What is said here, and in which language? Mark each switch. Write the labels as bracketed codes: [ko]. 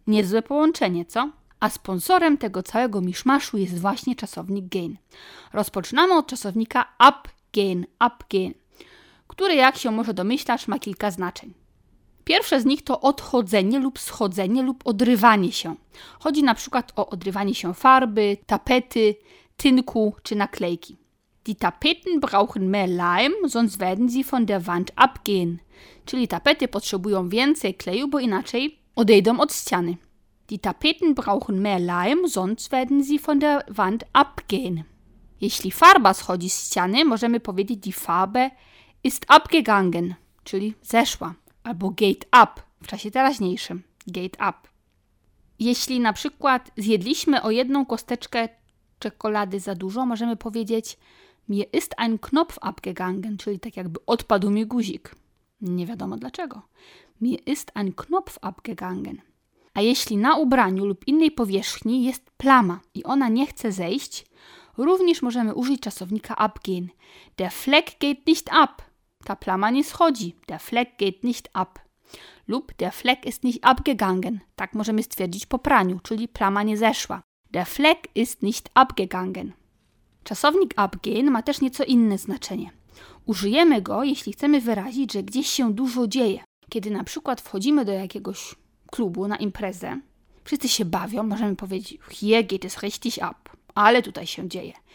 [pl] Niezłe połączenie, co? A sponsorem tego całego miszmaszu jest właśnie czasownik gehen. Rozpoczynamy od czasownika ab gehen, abgehen, które, jak się może domyślasz, ma kilka znaczeń. Pierwsze z nich to odchodzenie lub schodzenie lub odrywanie się. Chodzi na przykład o odrywanie się farby, tapety, tynku czy naklejki. [de] Die Tapeten brauchen mehr Leim, sonst werden sie von der Wand abgehen. [pl] Czyli tapety potrzebują więcej kleju, bo inaczej odejdą od ściany. [de] Die Tapeten brauchen mehr Leim, sonst werden sie von der Wand abgehen. [pl] Jeśli farba schodzi z ściany, możemy powiedzieć [de] die Farbe ist abgegangen, [pl] czyli zeszła. Albo [de] geht ab [pl] w czasie teraźniejszym. [de] Geht ab. [pl] Jeśli na przykład zjedliśmy o jedną kosteczkę czekolady za dużo, możemy powiedzieć [de] mir ist ein Knopf abgegangen, [pl] czyli tak jakby odpadł mi guzik. Nie wiadomo dlaczego. [de] Mir ist ein Knopf abgegangen. [pl] A jeśli na ubraniu lub innej powierzchni jest plama i ona nie chce zejść, również możemy użyć czasownika abgehen. [de] Der Fleck geht nicht ab. [pl] Ta plama nie schodzi. [de] Der Fleck geht nicht ab. [pl] Lub [de] der Fleck ist nicht abgegangen. [pl] Tak możemy stwierdzić po praniu, czyli plama nie zeszła. [de] Der Fleck ist nicht abgegangen. [pl] Czasownik abgehen ma też nieco inne znaczenie. Użyjemy go, jeśli chcemy wyrazić, że gdzieś się dużo dzieje. Kiedy na przykład wchodzimy do jakiegoś klubu na imprezę, wszyscy się bawią, możemy powiedzieć [de] hier geht es richtig ab. [pl] Ale tutaj się dzieje.